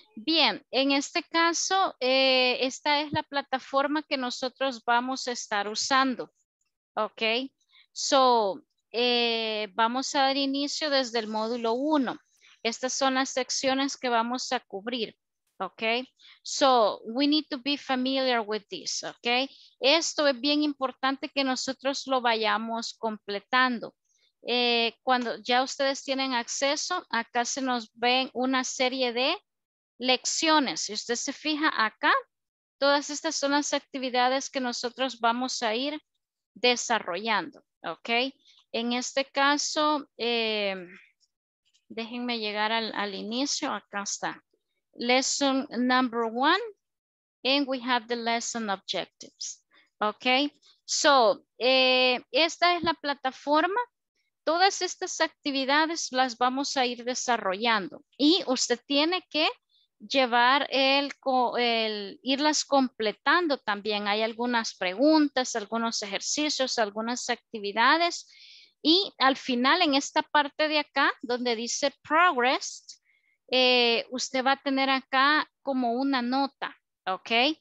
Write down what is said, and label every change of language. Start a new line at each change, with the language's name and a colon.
Spanish: Bien, en este caso, esta es la plataforma que nosotros vamos a estar usando. Ok. So, vamos a dar inicio desde el módulo 1. Estas son las secciones que vamos a cubrir.
English: Okay, so we need to be familiar with this.
Spanish: Okay, esto es bien importante que nosotros lo vayamos completando. Cuando ya ustedes tienen acceso, acá se nos ven una serie de lecciones. Si usted se fija acá, todas estas son las actividades que nosotros vamos a ir desarrollando. Okay, en este caso, déjenme llegar al inicio. Acá está.
English: Lesson number one, and we have the lesson objectives.
Spanish: Okay, so esta es la plataforma. Todas estas actividades las vamos a ir desarrollando y usted tiene que llevar irlas completando también. Hay algunas preguntas, algunos ejercicios, algunas actividades y al final en esta parte de acá donde dice progress, usted va a tener acá como una nota, ¿ok?